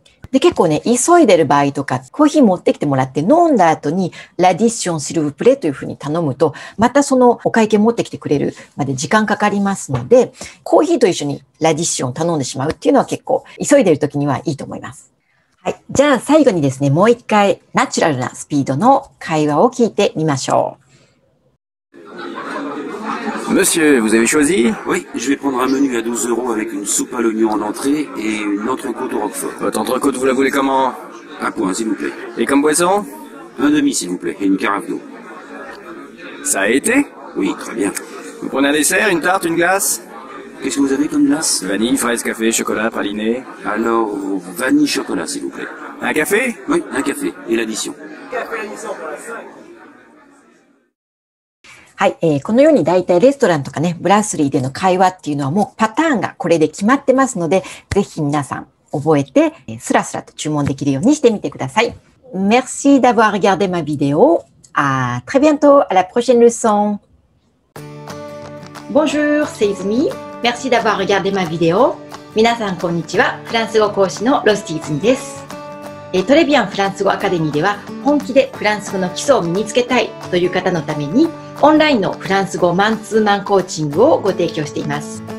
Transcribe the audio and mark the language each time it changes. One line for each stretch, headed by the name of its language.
Japanese: で、結構ね、急いでる場合とか、コーヒー持ってきてもらって飲んだ後に、ラディションシルブプレというふうに頼むと、またそのお会計持ってきてくれるまで時間かかりますので、コーヒーと一緒にラディションを頼んでしまうっていうのは結構、急いでる時にはいいと思います。はい。じゃあ最後にですね、もう一回、ナチュラルなスピードの会話を聞いてみましょう。
French: Monsieur, vous avez choisi? Oui, je vais prendre un menu à 12 euros avec une soupe à l'oignon en entrée et une entrecôte au roquefort. Votre entrecôte, vous la voulez comment? Un point, s'il vous plaît. Et comme boisson? Un demi, s'il vous plaît, et une carafe d'eau. Ça a été? Oui, très bien. Vous prenez un dessert, une tarte, une glace? Qu'est-ce que vous avez comme glace? Vanille, fraise, café, chocolat, praliné. Alors, vanille, chocolat, s'il vous plaît. Un café? Oui, un café. Et l'addition?
Japanese: はい、このように大体レストランとかね、ブラスリーでの会話っていうのはもうパターンがこれで決まってますので、ぜひ皆さん覚えて、スラスラと注文できるようにしてみてください。
French: Merci d'avoir regardé ma vidéo. À très bientôt, à la prochaine leçon. Bonjour, c'est Izumi. Merci d'avoir regardé ma vidéo.
Japanese: 皆さんこんにちは。フランス語講師のロスティ・イズミです。トレビアンフランス語アカデミーでは、本気でフランス語の基礎を身につけたいという方のために、オンラインのフランス語マンツーマンコーチングをご提供しています。